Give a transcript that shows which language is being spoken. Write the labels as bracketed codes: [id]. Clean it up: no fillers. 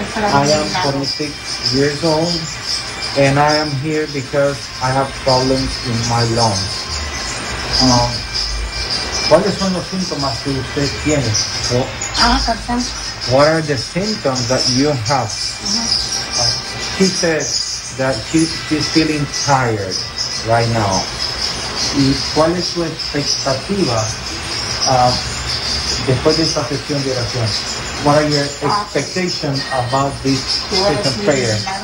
[en] I am 26 years old and I am here because I have problems in my lungs. [es] ¿Cuáles son los síntomas que usted tiene? [en] What are the symptoms that you have? She says that she's feeling tired right now. [es] ¿Y cuál es su expectativa después de esta sesión de oración? [en] What are your expectations about this session prayer?